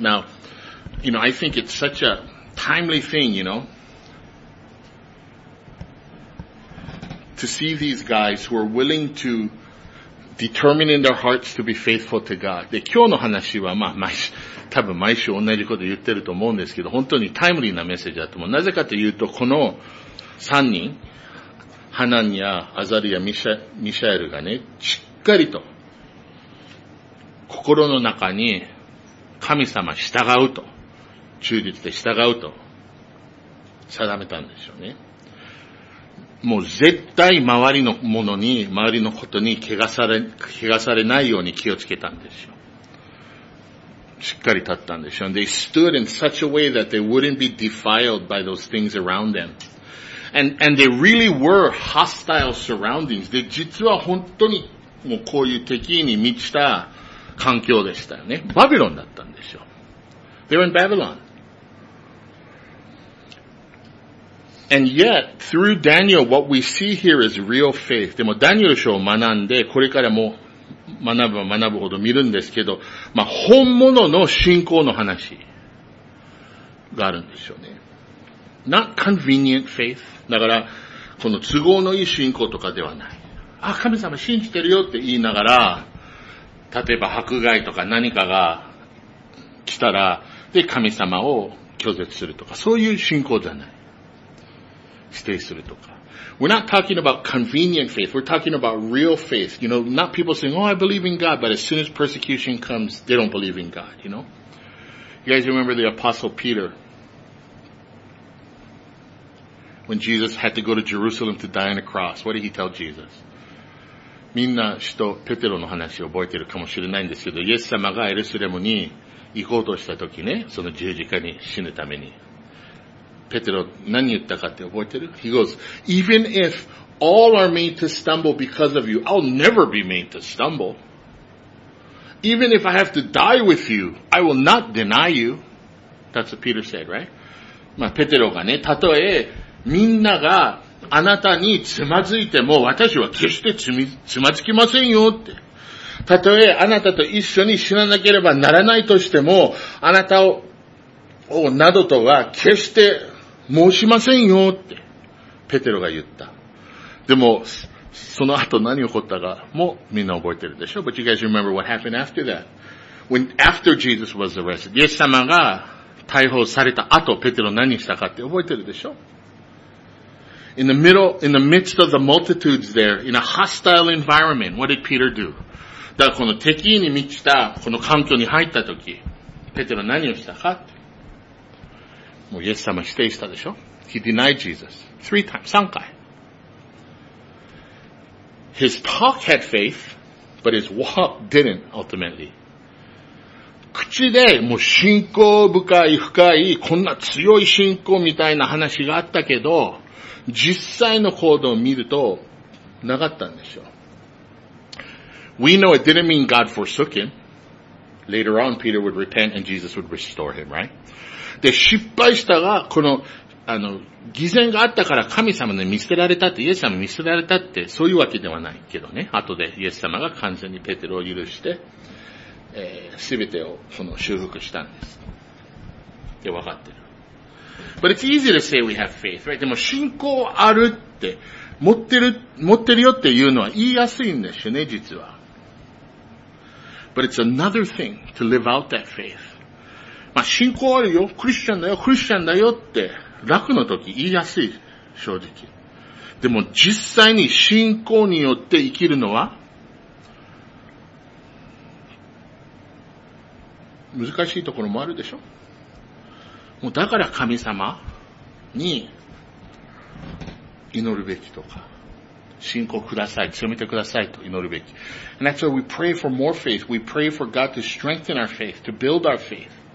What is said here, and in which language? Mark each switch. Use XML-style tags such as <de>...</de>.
<en>Now, you know, I think it's such a timely thing, you know, to see these guys who are willing to determine in their hearts to be faithful to God.</en> <ja>で、今日の話は、まあ、多分毎週同じこと言ってると思うんですけど、本当にタイムリーなメッセージだと思う。なぜかというと、この3人、ハナニア、アザリア、ミシャエルがね、しっかりと心の中に神様従うと、忠実で従うと定めたんでしょうね。もう絶対周りのものに、周りのことに汚されないように気をつけたんでしょう。しっかり立ったんでしょう。</ja> <en>They stood in such a way that they wouldn't be defiled by those things around them. And they really were hostile surroundings.</en> <ja>で、実は本当にもうこういう敵に満ちた環境でしたよね。バビロンだったんでしょう。</ja> <en>They were in Babylon. And yet, through Daniel, what we see here is real faith.</en> <ja>でも、ダニエル書を学んで、これからも学ぶ学ぶほど見るんですけど、まあ、本物の信仰の話があるんでしょうね。</ja> <en>Not convenient faith.</en> <ja>だから、この都合のいい信仰とかではない。あ、神様信じてるよって言いながら、例えば迫害とか何かが来たら、で、神様を拒絶するとか、そういう信仰じゃない。否定するとか。</ja> <en>We're not talking about convenient faith. We're talking about real faith. You know, not people saying, oh, I believe in God, but as soon as persecution comes, they don't believe in God, you know? You guys remember the Apostle Peter? When Jesus had to go to Jerusalem to die on a cross, what did he tell Jesus?</en> <ja>みんな使徒ペテロの話を覚えてるかもしれないんですけど、イエス様がエルサレムに行こうとした時ね、その十字架に死ぬために。ペテロ何言ったかって覚えてる?</ja> <en>He goes, even if all are made to stumble because of you, I'll never be made to stumble. Even if I have to die with you, I will not deny you. That's what Peter said, right?</en> <ja>まあペテロがね、たとえみんながあなたにつまずいても私は決してつまずきませんよって。たとえあなたと一緒に死ななければならないとしても、あなたをなどとは決して申しませんよって、ペテロが言った。でも、その後何起こったかもみんな覚えてるでしょ ?</ja> <en>But you guys remember what happened after that? When, after Jesus was arrested,</en> <ja>イエス様が逮捕された後、ペテロ何したかって覚えてるでしょ?</ja> <en>In the midst of the multitudes there, in a hostile environment, what did Peter do?</en> <ja>だからこの敵に満ちたこの環境に入った時、ペテロ何をしたか? もうイエス様否定したでしょ?</ja> <en>He denied Jesus. 3 times, 3 times. His talk had faith, but his walk didn't ultimately.</en> <ja>口でもう信仰深い深いこんな強い信仰みたいな話があったけど、実際の行動を見るとなかったんでしょう。</ja> <en>We know it didn't mean God forsook him. Later on, Peter would repent and Jesus would restore him, right?</en> <ja>で、失敗したが、この、偽善があったから神様に見捨てられたって、イエス様に見捨てられたって、そういうわけではないけどね。後でイエス様が完全にペテロを許して、全てをその修復したんです。で、わかってる。</ja> <en>But it's easy to say we have faith, right?</en> <ja>でも信仰あるって持ってるよっていうのは言いやすいんですよね、実は。</ja> <en>But it's another thing to live out that faith.</en> <ja>まあ、信仰あるよ、クリスチャンだよ、クリスチャンだよって、楽の時言いやすい、正直。でも実際に信仰によって生きるのは、難しいところもあるでしょ。もうだから神様に祈るべきとか、信仰ください、強めてくださいと祈るべき。</ja> <en>And that's why we pray for more faith. We pray for God to strengthen our faith, to build our faith.</en>